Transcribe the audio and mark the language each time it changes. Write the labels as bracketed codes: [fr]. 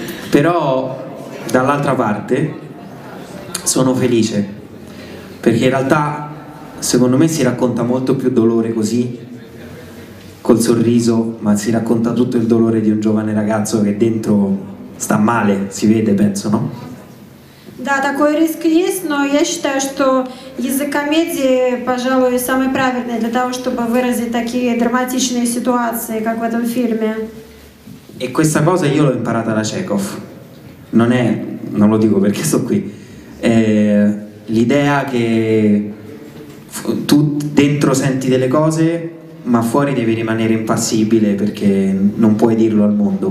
[it] Però, dall'altra parte, sono felice, perché in realtà secondo me si racconta molto più dolore così, col sorriso, ma si racconta tutto il dolore di un giovane ragazzo che dentro sta male, si vede, penso, no? [ru] Да, такой риск есть, но я считаю, что язык комедии, пожалуй, самый правильный для того, чтобы выразить такие драматичные ситуации, как в этом фильме. [it] E questa cosa io l'ho imparata da Chekhov. Non è, non lo dico perché sto qui. L'idea che tu dentro senti delle cose, ma fuori devi rimanere impassibile perché non puoi dirlo al mondo.